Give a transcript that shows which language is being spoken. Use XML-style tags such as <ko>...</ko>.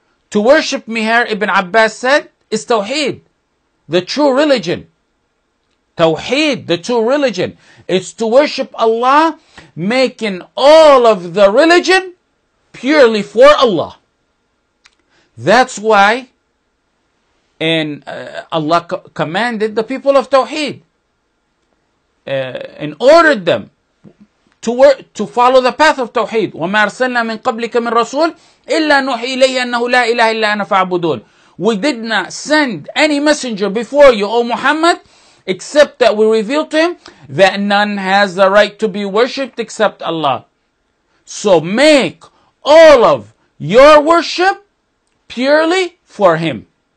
<en>To worship me here, Ibn Abbas said, is tawheed. The true religion, Tawheed, the true religion, it's to worship Allah, making all of the religion purely for Allah. That's why, and Allah commanded the people of Tawheed, and ordered them to follow the path of Tawheed.</en> <ar>وما أرسلنا من قبلك من رسول إلا نوحي إليه أنه لا إله إلا أنا فاعبدون.</ar> <en>We did not send any messenger before you, O Muhammad, except that we revealed to him that none has the right to be worshipped except Allah. So make all of your worship purely for him.</en>